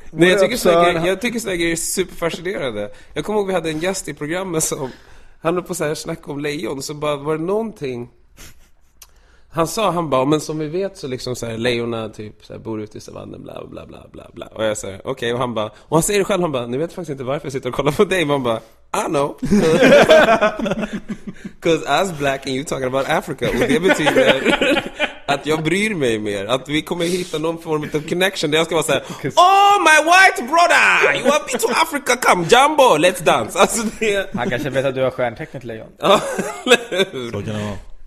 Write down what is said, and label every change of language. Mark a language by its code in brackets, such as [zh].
[sv] Nej, jag tycker sådana här grejer är superfascinerande. Jag kommer ihåg att vi hade en gäst i programmet som... Han var på så här snack om lejon. Så bara, var det någonting... Han sa, men som vi vet så liksom så här, lejona typ så här, bor ute i savannen, bla bla bla bla bla. Och jag säger okej, okay. Och han bara, och han säger det själv, han bara, ni vet faktiskt inte varför jag sitter och kollar på dig. Man bara, [en] I know. Cause I'm black and you talking about Africa. [sv] Och det betyder att jag bryr mig mer. Att vi kommer hitta någon form av connection där jag ska vara så här, [en] oh my white brother, you want me to Africa, come jumbo, let's dance. [sv] Alltså det... Han kanske vet att du har stjärntecknet lejon. Så kan det vara.